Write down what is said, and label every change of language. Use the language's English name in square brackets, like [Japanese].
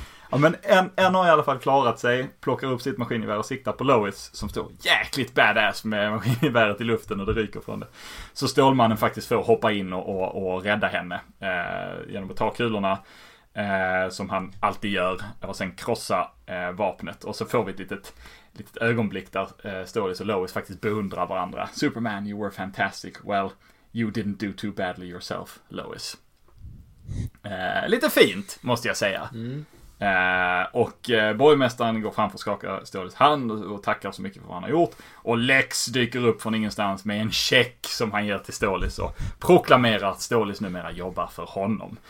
[Swedish] Ja, men en har i alla fall klarat sig, plockar upp sitt maskingevär och siktar på Lois, som står jäkligt badass med maskingeväret i luften och det ryker från det. Så Stålmannen faktiskt får hoppa in och rädda henne genom att ta kulorna, som han alltid gör, och sen krossa vapnet. Och så får vi ett litet ögonblick där Stålis och Lois faktiskt beundrar varandra. [English] Superman, you were fantastic. Well, you didn't do too badly yourself, Lois. [Swedish] Lite fint, måste jag säga. Och borgmästaren går fram för att skaka Stålis hand och tackar så mycket för vad han har gjort. Och Lex dyker upp från ingenstans med en check som han ger till Stålis och proklamerar att Stålis numera jobbar för honom.